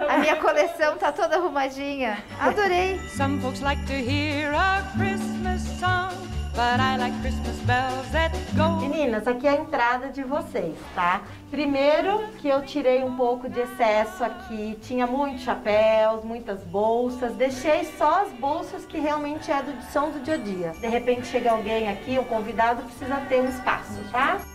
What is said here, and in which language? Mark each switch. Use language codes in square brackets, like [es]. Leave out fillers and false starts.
[pt] A minha coleção tá toda arrumadinha. Adorei! [en] Some folks like to hear a Christmas song, but I like Christmas bells that go. [pt] Meninas, aqui é a entrada de vocês, tá? Primeiro que eu tirei um pouco de excesso aqui, tinha muitos chapéus, muitas bolsas, deixei só as bolsas que realmente é são do dia a dia. De repente chega alguém aqui, um convidado, precisa ter um espaço, tá?